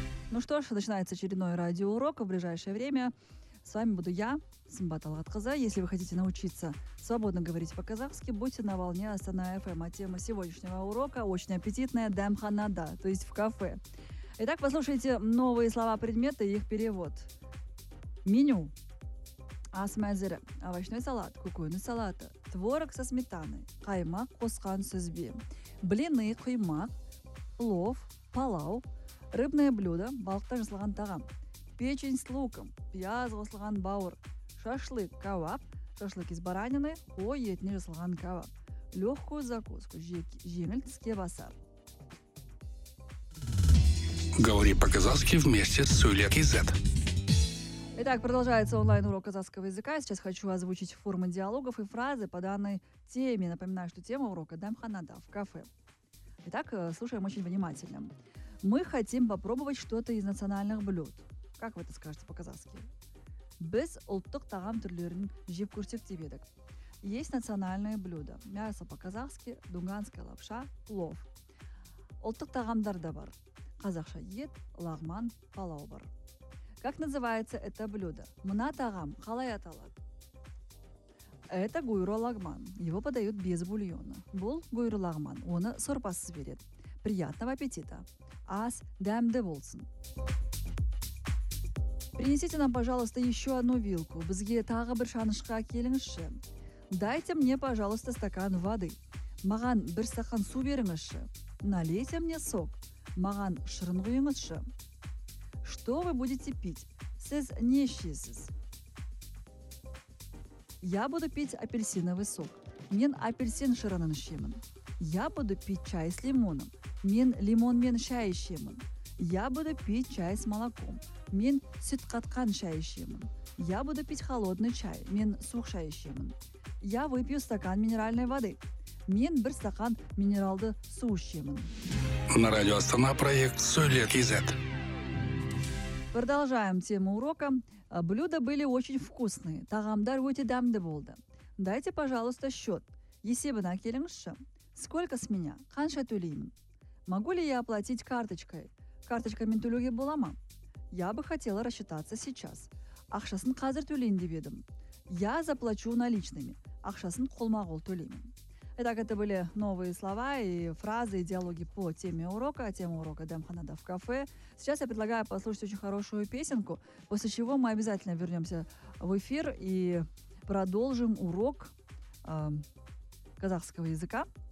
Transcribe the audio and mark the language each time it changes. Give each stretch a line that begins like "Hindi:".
Russian: Ну что ж, начинается очередной радиоурок. В ближайшее время с вами буду я, Сымбат Алхатқызы. Если вы хотите научиться свободно говорить по-казахски, будьте на волне Астана FM. А тема сегодняшнего урока очень аппетитная – дәмханада, то есть в кафе. Итак, послушайте новые слова-предметы и их перевод. Меню –
Kazakh: ас мәзірі
Russian: – овощной салат, кукуйный салат, творог со сметаной, каймак – қосқан сөзбе, блины – куймак, плов, палау, рыбное блюдо –
Kazakh: балықтан жасалған тағам,
Russian: печень с луком,
Kazakh: пияз жасалған бауыр,
Russian: шашлык – кавап, шашлык из баранины, ойет не жасалған кавап. Легкую закуску –
Kazakh: жеңіл тіске басар.
Russian: Говори по-казахски вместе с Сулек KZ. Итак, продолжается онлайн-урок казахского языка. Сейчас хочу озвучить формы диалогов и фразы по данной теме. Напоминаю, что тема урока – дәмханада, в кафе. Итак, слушаем очень внимательно. Мы хотим попробовать что-то из национальных блюд. Как вы это скажете по-казахски?
Kazakh: Біз ұлттық тағам түрлерін жеп көрсек деп едік.
Russian: Есть национальное блюдо. Мясо по-казахски, дунганская лапша, плов.
Kazakh: Ұлттық тағамдар да бар. Қазақша ет, лағман, палау бар.
Russian: Как называется это блюдо?
Kazakh: Мына тағам қалай аталады?
Russian: Это гуйро лағман. Его подают без бульона.
Kazakh: Бұл гуйро лағман. Оны сорпасыз береді.
Russian: Приятного аппетита.
Kazakh: Ас дәмді болсын.
Russian: Принесите нам, пожалуйста, еще одну вилку.
Kazakh: Бізге тағы бір шанышқа келіңізші.
Russian: Дайте мне, пожалуйста, стакан воды.
Kazakh: Маған бір стакан су беріңізші.
Russian: Налейте мне сок.
Kazakh: Маған шырын құйыңызші.
Russian: Что вы будете пить?
Kazakh: Сіз не ішесіз?
Russian: Я буду пить апельсиновый сок.
Kazakh: Мен апельсин шырынын ішемін.
Russian: Я буду пить чай с лимоном.
Kazakh: Мен лимон мен шай ішемін.
Russian: Я буду пить чай с молоком.
Kazakh: Мен сүт қатқан шай ішемін.
Russian: Я буду пить холодный чай.
Kazakh: Мен суық шай ішемін.
Russian: Я выпью стакан минеральной воды.
Kazakh: Мен бір стакан минералды су ішемін.
Russian: На радио Астана проект Сулек KZ. Продолжаем тему урока. Блюда были очень вкусные.
Kazakh: Тағамдар өте дәмді болды.
Russian: Дайте, пожалуйста, счет.
Kazakh: Есебін әкеліңізші.
Russian: Сколько с меня?
Kazakh: Қанша төлеймін?
Russian: Могу ли я оплатить карточкой?
Kazakh: Карточка мен төлеуге бола ма?
Russian: Я бы хотела рассчитаться сейчас.
Kazakh: Ақшасын қазір төлейін деп едім.
Russian: Я заплачу наличными.
Kazakh: Ақшасын қолма-қол төлеймін.
Russian: Итак, это были новые слова и фразы, и диалоги по теме урока. Тема урока – дәмханада в кафе. Сейчас я предлагаю послушать очень хорошую песенку, после чего мы обязательно вернемся в эфир и продолжим урок казахского языка.